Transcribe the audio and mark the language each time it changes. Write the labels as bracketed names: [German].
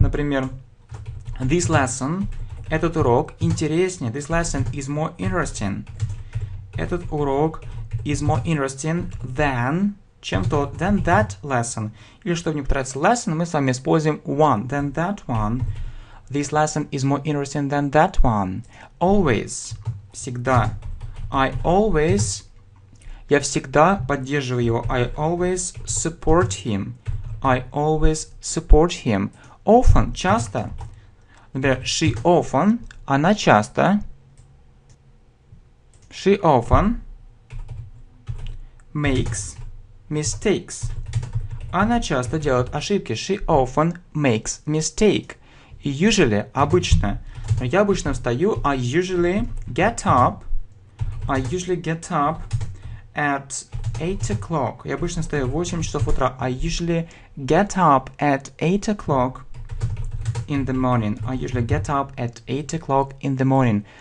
[Russian] Например, [English] this lesson, [Russian] этот урок, интереснее. [English] This lesson is more interesting. [Russian] Этот урок [English] is more interesting than, [Russian] чем то, [English] than that lesson. [Russian] Или, чтобы не потратить lesson, мы с вами используем one. [English] Than that one. This lesson is more interesting than that one. Always. [Russian] Всегда. [English] I always... [Russian] Я всегда поддерживаю его. [English] I always support him. I always support him. Often, [Russian] часто. Например, [English] she often, [Russian] она часто. [English] She often makes mistakes. [Russian] Она часто делает ошибки. [English] She often makes mistake. Usually, [Russian] обычно. Я обычно встаю. [English] I usually get up. I usually get up. At 8 o'clock. [Russian] Я обычно встаю в 8 часов утра. [English] I usually get up at 8 o'clock in the morning. I usually get up at 8 o'clock in the morning.